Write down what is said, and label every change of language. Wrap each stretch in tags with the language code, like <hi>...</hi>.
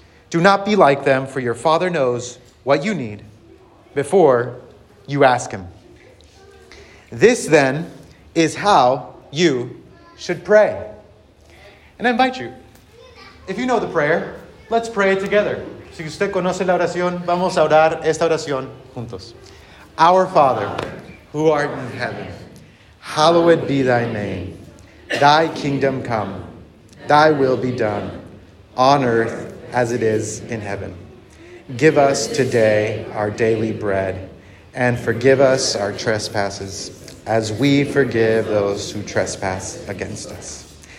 <en>Do not be like them, for your Father knows what you need before you ask him. This then is how you should pray. And I invite you, if you know the prayer, let's pray it together.</en> <es>Si usted conoce la oración, vamos a orar esta oración juntos.</es> <en>Our Father, who art in heaven, hallowed be thy name. Thy kingdom come, thy will be done, on earth as it is in heaven. Give us today our daily bread, and forgive us our trespasses, as we forgive those who trespass against us.</en>